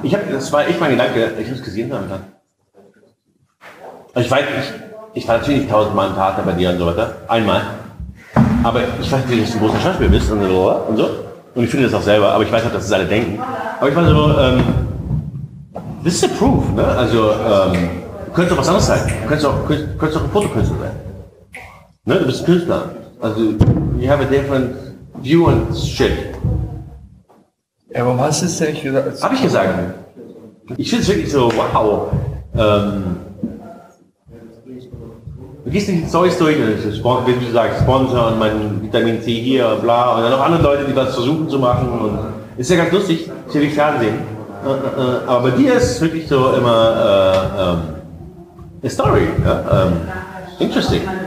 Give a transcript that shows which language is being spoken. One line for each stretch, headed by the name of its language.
German: Das war echt mein Gedanke, ich muss gesehen haben. Dann. Ich war natürlich nicht tausendmal im Theater bei dir und so weiter. Einmal. Aber ich weiß natürlich, dass du ein großer Schauspieler bist und so. Und ich finde das auch selber, aber ich weiß auch, dass es alle denken. Aber ich war so,
English: this is a proof,
German: ne? Also, könnte doch was anderes sein. Könnte doch ein Fotokünstler sein. Ne? Du bist ein Künstler.
English: Also, you have a different view on shit.
German: Ja, aber was ist denn, ich gesagt? Hab ich gesagt. Ich finde es wirklich so, wow. Du gehst nicht Zeugs durch, wie du sagst, Sponsor und mein Vitamin C hier, bla, und dann noch andere Leute, die was versuchen zu machen. Und ist ja ganz lustig, ist ja wie Fernsehen. Aber bei dir ist es wirklich so immer eine Story. Ja?
English: Interesting.